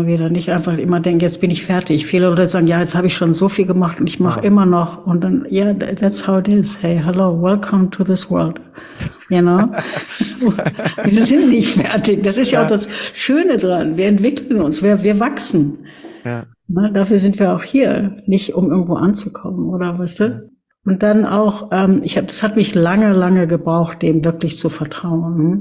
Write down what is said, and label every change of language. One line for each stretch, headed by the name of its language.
German: Nicht einfach immer denken, jetzt bin ich fertig. Viele Leute sagen, ja, jetzt habe ich schon so viel gemacht und ich mache immer noch. Und dann,
English: yeah, that's how it is. Hey, hello, welcome to this world. You know?
German: Wir sind nicht fertig. Das ist ja auch das Schöne dran. Wir entwickeln uns. Wir wachsen. Ja. Na, dafür sind wir auch hier, nicht um irgendwo anzukommen, oder weißt du? Ja. Und dann auch, das hat mich lange, lange gebraucht, dem wirklich zu vertrauen.